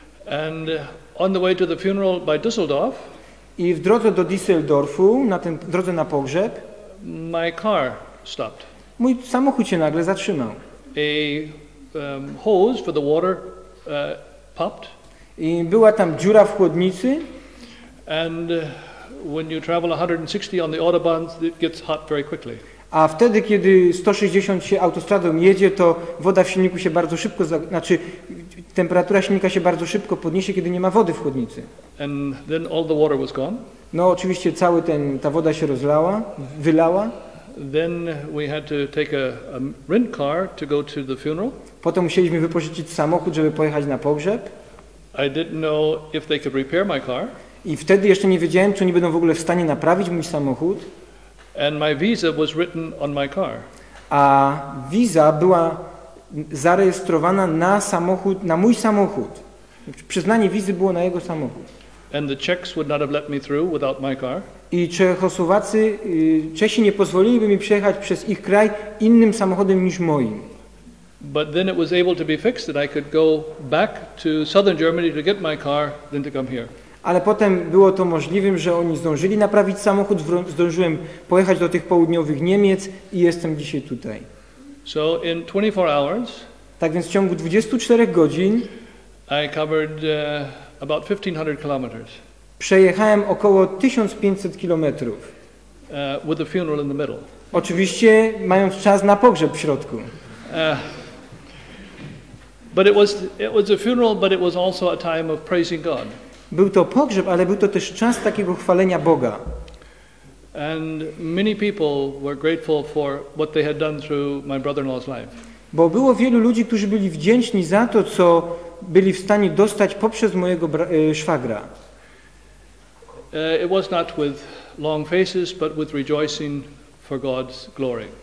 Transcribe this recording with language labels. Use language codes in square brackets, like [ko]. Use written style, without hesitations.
[en] And on the way to the funeral by Düsseldorf. [pl] I w drodze do Düsseldorfu, na tym drodze na pogrzeb, [en] my car stopped. [pl] Mój samochód się nagle zatrzymał. [en] A hose for the water popped. [pl] I była tam dziura w chłodnicy. [en] And when you travel 160 on the autobahns, it gets hot very quickly. [pl] A wtedy, kiedy 160 się autostradą jedzie, to woda w silniku się bardzo szybko, znaczy temperatura silnika się bardzo szybko podniesie, kiedy nie ma wody w chłodnicy. [en] And then all the water was gone. [pl] No oczywiście cały ten, ta woda się rozlała, wylała. [en] Then we had to take a rent car to go to the funeral. [pl] Potem musieliśmy wypożyczyć samochód, żeby pojechać na pogrzeb. [en] I didn't know if they could repair my car. [pl] I wtedy jeszcze nie wiedziałem, czy oni będą w ogóle w stanie naprawić mój samochód. [en] And my visa was written on my car. [pl] A wiza była zarejestrowana na samochód, na mój samochód. Przyznanie wizy było na jego samochód. [en] And the Czechs would not have let me through without my car. [pl] I Czechosłowacy, Czesi nie pozwoliliby mi przejechać przez ich kraj innym samochodem niż moim. [en] But then it was able to be fixed that I could go back to southern Germany to get my car than to come here. [pl] Ale potem było to możliwym, że oni zdążyli naprawić samochód, zdążyłem pojechać do tych południowych Niemiec i jestem dzisiaj tutaj. [en] So in 24 hours, [pl] tak więc w ciągu 24 godzin [en] I covered, about 1500 kilometers. [pl] Przejechałem około 1500 kilometrów. [en] With a funeral in the middle. [pl] Oczywiście mając czas na pogrzeb w środku. [en] But it was a funeral, but it was also a time of praising God. [pl] Był to pogrzeb, ale był to też czas takiego chwalenia Boga. [en] And many people were grateful for what they had done through my brother-in-law's life. [pl] Bo było wielu ludzi, którzy byli wdzięczni za to, co byli w stanie dostać poprzez mojego szwagra. [en] It was not with long faces, but with rejoicing for God's glory.